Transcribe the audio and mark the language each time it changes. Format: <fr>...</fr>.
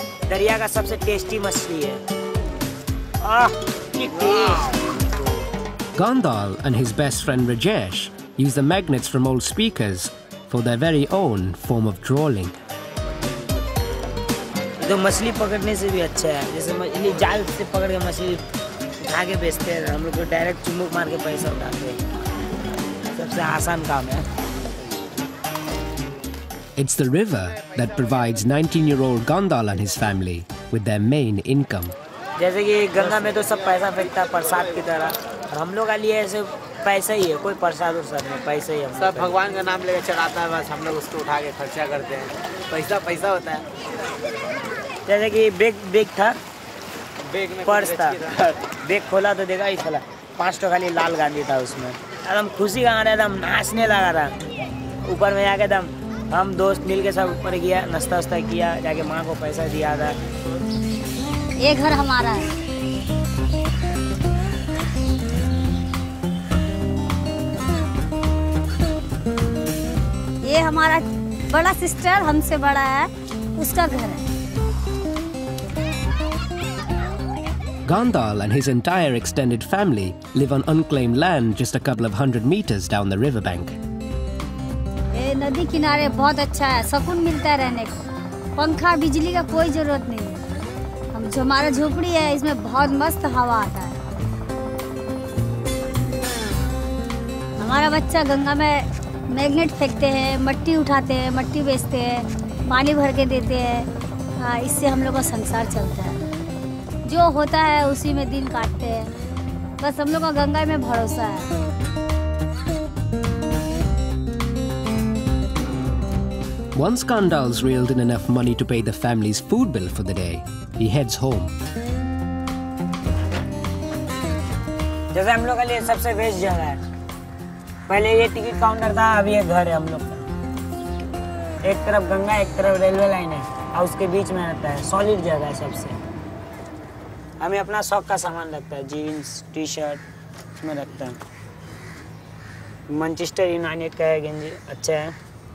<hi>दरिया का सबसे टेस्टी मछली है. आह, कितनी!</hi> <en>Gandhal and his best friend Rajesh use the magnets from old speakers for their very own form of trawling.</en> <hi>तो मछली पकड़ने से भी अच्छा है, जैसे मछली जाल से पकड़ के मछली उठा के बेचते हैं, हम लोग डायरेक्ट चुम्बक मार के पैसा उठाते हैं. सबसे आसान काम है।</hi> <en>It's the river that provides 19-year-old Gandhal and his family with their main income.</en> <hi>जैसे कि गंगा में तो सब पैसा फेंकता प्रसाद की तरह, हम लोग के लिए ऐसे पैसा ही है, कोई प्रसाद उरसाद नहीं, पैसा ही है। सब भगवान का नाम लेकर चढ़ाता है बस, हम लोग उसको उठा के खर्चा करते हैं, पैसा पैसा होता है। जैसे कि बैग था, बैग में पर्स था, बैग खोला तो देखा ही चला 500 खाली लाल गांधी था उसमें। एकदम खुशी का आना, एकदम नाचने लगा था ऊपर में जाके। एकदम हम दोस्त मिल के सब ऊपर गया, नाश्ता वास्ता किया, जाके माँ को पैसा दिया था। ये घर हमारा है। ये हमारा बड़ा सिस्टर, हमसे बड़ा है, उसका घर है।</hi> <en>Gandhal and his entire extended family live on unclaimed land just a couple of hundred meters down the river bank.</en> <hi>ये नदी किनारे बहुत अच्छा है, सुकून मिलता है रहने को, पंखा बिजली का कोई जरूरत नहीं है। हम जो हमारा झोपड़ी है इसमें बहुत मस्त हवा आता है। हमारा बच्चा गंगा में मैग्नेट फेंकते हैं, मट्टी उठाते हैं, मट्टी बेचते हैं, पानी भर के देते हैं, इससे हम लोग का संसार चलता है। जो होता है उसी में दिन काटते हैं, बस हम लोग का गंगा में भरोसा है।</hi> <en>Once Gandhal's reeled in enough money to pay the family's food bill for the day, he heads home.</en> <hi>जैसे हम लोग के लिए सबसे बेस्ट जगह है, पहले ये टिकट काउंटर था, अब ये घर है हम लोग का। एक तरफ गंगा, एक तरफ रेलवे लाइन है, और उसके बीच में रहता है, सॉलिड जगह है सबसे। हमें अपना शौक का सामान रखता है, जीन्स टी शर्ट उसमें रखता है, मैनचेस्टर यूनाइटेड का है गंजी, अच्छा है।</hi>